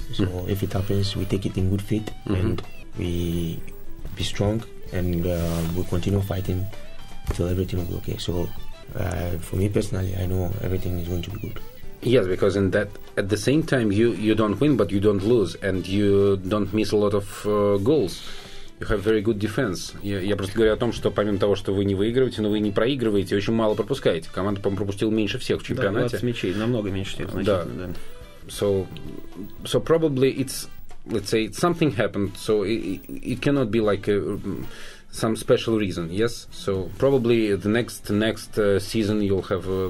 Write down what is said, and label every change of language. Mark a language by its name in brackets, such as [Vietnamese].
[English] So if it happens, we take it in good faith and we be strong and we continue fighting till everything will be okay. So for me personally, I know everything is going to be good. Yes, because in that, at the same time, you don't win, but you don't lose, and you don't miss a lot of goals. You have very good defense. [Russian] Я просто говорю о том, что помимо того, что вы не выигрываете, но вы не проигрываете, очень мало пропускаете. Команда, по-моему, пропустила меньше всех в чемпионате. Да, 20 мячей, намного меньше всех, значительно, да. [English] So probably it's, let's say, something happened, so it cannot be like some special reason, yes? So probably the next season you'll have